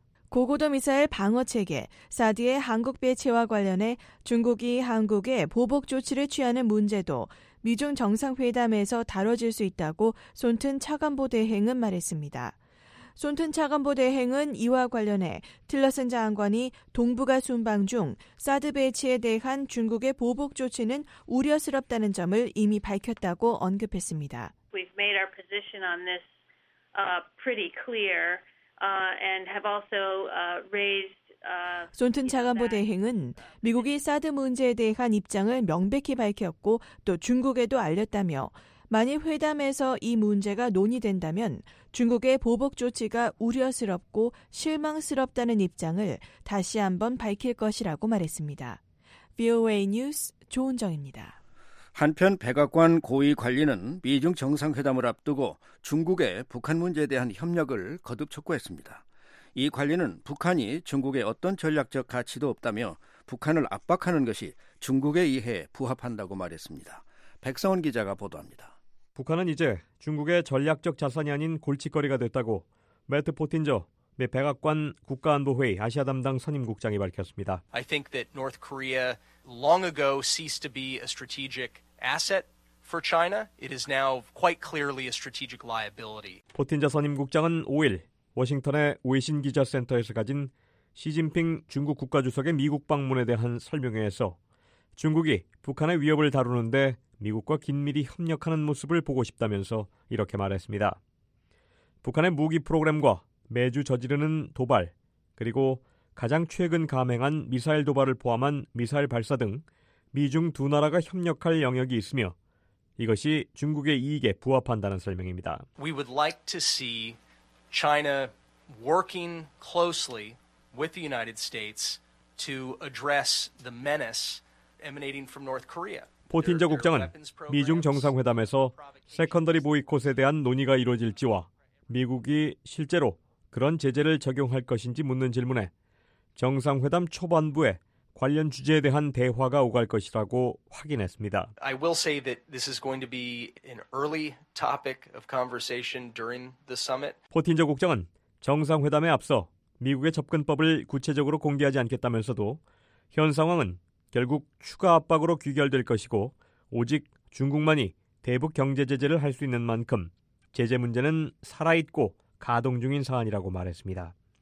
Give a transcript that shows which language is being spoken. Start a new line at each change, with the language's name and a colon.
Korean: 고고도 미사일 방어체계, 사드의 한국 배치와 관련해 중국이 한국에 보복 조치를 취하는 문제도 미중 정상회담에서 다뤄질 수 있다고 손튼 차관보 대행은 말했습니다. 손튼 차관보 대행은 이와 관련해 틸러슨 장관이 동북아 순방 중 사드 배치에 대한 중국의 보복 조치는 우려스럽다는 점을 이미 밝혔다고 언급했습니다.
English: We've made our position on this pretty clear and have also raised
Korean: 손튼 차관보 대행은 미국이 사드 문제에 대한 입장을 명백히 밝혔고 또 중국에도 알렸다며 만일 회담에서 이 문제가 논의된다면 중국의 보복 조치가 우려스럽고 실망스럽다는 입장을 다시 한번 밝힐 것이라고 말했습니다. VOA 뉴스 조은정입니다. 한편 백악관 고위 관리는 미중 정상회담을 앞두고 중국의 북한 문제에 대한 협력을 거듭 촉구했습니다. 이 관리는 북한이 중국에 어떤 전략적 가치도 없다며 북한을 압박하는 것이 중국의 이해에 부합한다고 말했습니다. 백성원 기자가 보도합니다. 북한은 이제 중국의 전략적 자산이 아닌 골칫거리가 됐다고 매트 포틴저 미 백악관 국가안보회의 아시아 담당 선임국장이 밝혔습니다.
English: I think that North Korea long ago ceased to be a strategic asset for China. It is now quite clearly a strategic liability.
Korean: 포틴저 선임국장은 5일 워싱턴의 외신 기자 센터에서 가진 시진핑 중국 국가주석의 미국 방문에 대한 설명회에서 중국이 북한의 위협을 다루는데 미국과 긴밀히 협력하는 모습을 보고 싶다면서 이렇게 말했습니다. 북한의 무기 프로그램과 매주 저지르는 도발, 그리고 가장 최근 감행한 미사일 도발을 포함한 미사일 발사 등 미중 두 나라가 협력할 영역이 있으며 이것이 중국의 이익에 부합한다는 설명입니다.
English: We would like to see China working closely with the United States to address the menace emanating from North Korea.
Korean: 포틴저 국장은 미중 정상회담에서 세컨더리 보이콧에 대한 논의가 이루어질지와 미국이 실제로 그런 제재를 적용할 것인지 묻는 질문에 정상회담 초반부에 관련 주제에 대한 대화가 오갈 것이라고 확인했습니다.
English: I will say that this is going to be an early topic of conversation during the summit.
Korean: 포틴저 국장은 정상회담에 앞서 미국의 접근법을 구체적으로 공개하지 않겠다면서도 현 상황은 결국 추가 압박으로 귀결될 것이고 오직 중국만이 대북 경제 제재를 할 수 있는 만큼 제재 문제는 살아있고 가동 중인 사안이라고 말했습니다.